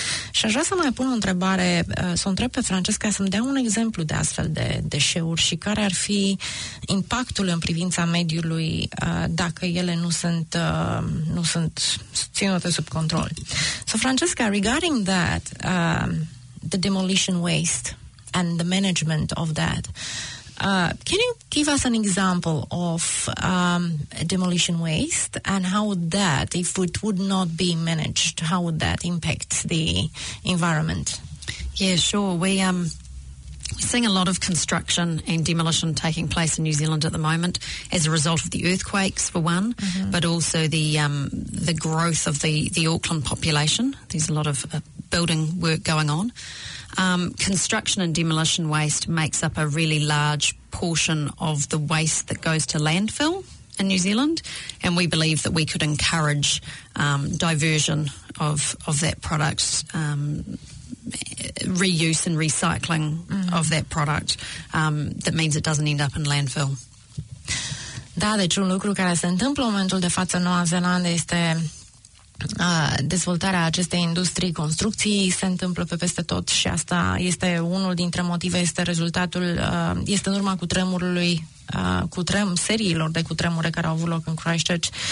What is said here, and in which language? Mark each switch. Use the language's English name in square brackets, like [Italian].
[Romanian] Și aș vrea să mai pun o întrebare, să o întreb pe Francesca să-mi dea un exemplu de astfel de deșeuri și care ar fi impactul în privința mediului dacă ele nu sunt ținute sub control. [English] So, Francesca, regarding that, the demolition waste and the management of that, can you give us an example of demolition waste and how would that, if it would not be managed, how would that impact the environment? Yeah, sure. We're seeing a lot of construction and demolition taking place in New Zealand at the moment as a result of the earthquakes, for one, mm-hmm. but also the growth of the Auckland population. There's a lot of building work going on. Construction and demolition waste makes up a really large portion of the waste that goes to landfill in New Zealand, and we believe that we could encourage diversion of that product, reuse and recycling of that product, that means it doesn't end up in landfill. [Romanian] Da, deci un lucru care se întâmplă în momentul de față în Noua Zeelandă este dezvoltarea acestei industrii construcții, se întâmplă pe peste tot și asta este unul dintre motive, este rezultatul, este în urma cutremurului, seriilor de cutremure care au avut loc în Christchurch.